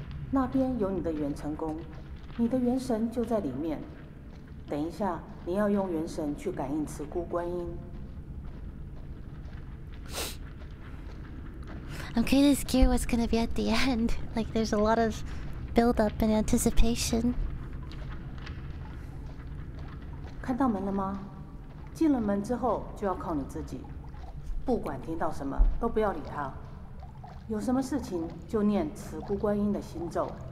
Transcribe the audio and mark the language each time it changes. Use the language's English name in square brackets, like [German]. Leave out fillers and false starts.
[Chinese] 那边有你的元成功，你的元神就在里面。等一下，你要用元神去感应慈姑观音。 [English] I'm kind of scared what's gonna be at the end. Like, there's a lot of build-up and anticipation. [Chinese] 看到门了吗？进了门之后就要靠你自己，不管听到什么都不要理他。有什么事情就念慈姑观音的心咒。